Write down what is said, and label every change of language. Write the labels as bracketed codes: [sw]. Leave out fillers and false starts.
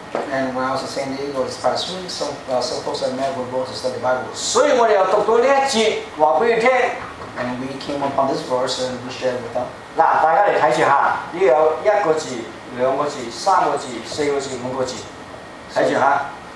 [en] And when I was in San Diego this past week, some folks I met were willing to study Bible. [yue] 所以我哋又讀到呢一節，話俾佢聽。 [en] And we came upon this verse and we shared with them. [yue] 那大家来睇住哈，呢有一个字、两个字、三个字、四个字、五个字，睇住哈。